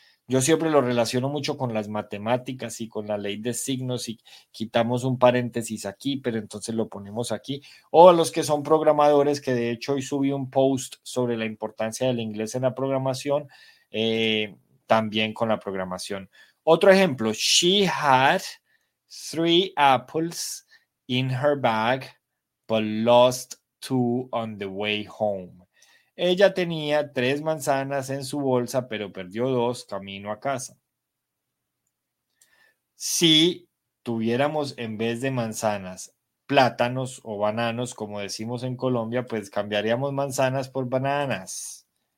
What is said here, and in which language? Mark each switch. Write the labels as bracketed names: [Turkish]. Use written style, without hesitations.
[Spanish] Yo siempre lo relaciono mucho con las matemáticas y con la ley de signos y quitamos un paréntesis aquí, pero entonces lo ponemos aquí. O a los que son programadores, que de hecho hoy subí un post sobre la importancia del inglés en la programación, también con la programación. [English] Otro ejemplo, she had three apples in her bag, but lost two on the way home. [Spanish] Ella tenía tres manzanas en su bolsa, pero perdió dos camino a casa. Si tuviéramos en vez de manzanas, plátanos o bananos, como decimos en Colombia, pues cambiaríamos manzanas por bananas.